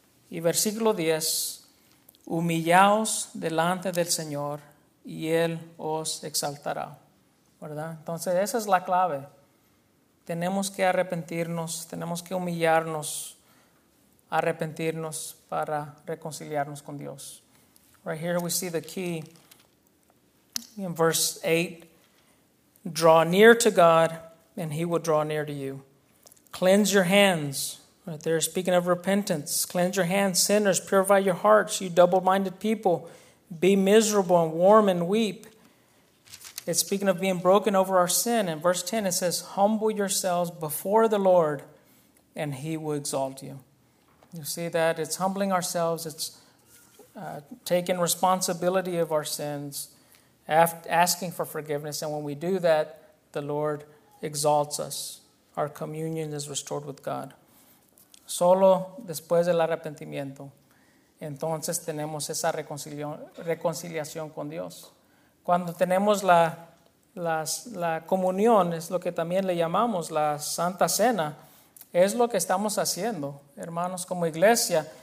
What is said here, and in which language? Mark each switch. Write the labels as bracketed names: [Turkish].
[Spanish] Y versículo 10, humillaos delante del Señor y Él os exaltará. ¿Verdad? Entonces esa es la clave. Tenemos que arrepentirnos, tenemos que humillarnos, arrepentirnos para reconciliarnos con Dios. [English] Right here we see the key in verse 8. Draw near to God and He will draw near to you. Cleanse your hands. Right there, speaking of repentance. Cleanse your hands, sinners. Purify your hearts, you double-minded people. Be miserable and warm and weep. It's speaking of being broken over our sin. In verse 10, it says, humble yourselves before the Lord, and He will exalt you. You see that? It's humbling ourselves. It's taking responsibility of our sins, asking for forgiveness. And when we do that, the Lord exalts us. Our communion is restored with God. [Spanish] Solo después del arrepentimiento, entonces tenemos esa reconciliación con Dios. Cuando tenemos la comunión, es lo que también le llamamos la Santa Cena, es lo que estamos haciendo, hermanos, como iglesia.